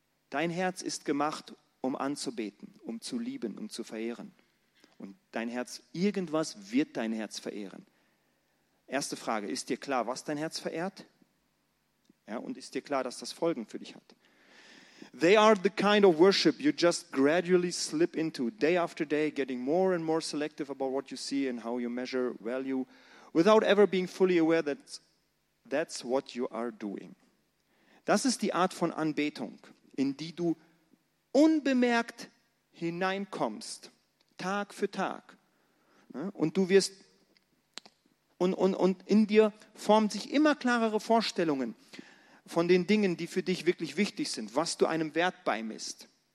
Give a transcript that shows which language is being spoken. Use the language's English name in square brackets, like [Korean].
[German] Dein Herz ist gemacht, um anzubeten, um zu lieben, um zu verehren. Und dein Herz, irgendwas wird dein Herz verehren. Erste Frage, ist dir klar, was dein Herz verehrt? Ja, und ist dir klar, dass das Folgen für dich hat? [English] They are the kind of worship you just gradually slip into, day after day, getting more and more selective about what you see and how you measure value, without ever being fully aware that that's what you are doing. [German] Das ist die Art von Anbetung, in die du unbemerkt hineinkommst, Tag für Tag. Und du wirst, und in dir formen sich immer klarere Vorstellungen von den Dingen, die für dich wirklich wichtig sind, was du einem Wert beimisst.